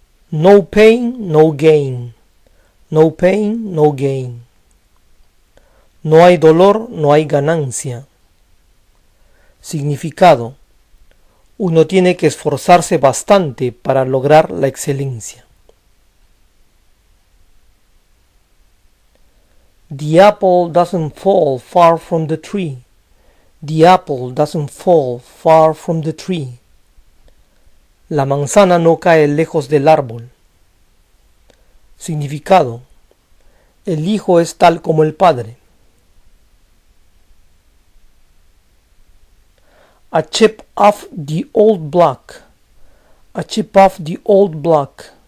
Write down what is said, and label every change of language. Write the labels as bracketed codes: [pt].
[en] No pain, no gain. No pain, no gain. [es] No hay dolor, no hay ganancia. Significado: uno tiene que esforzarse bastante para lograr la excelencia. [en] The apple doesn't fall far from the tree. The apple doesn't fall far from the tree. [es] La manzana no cae lejos del árbol. Significado: el hijo es tal como el padre. [en] A chip off the old block. A chip off the old block.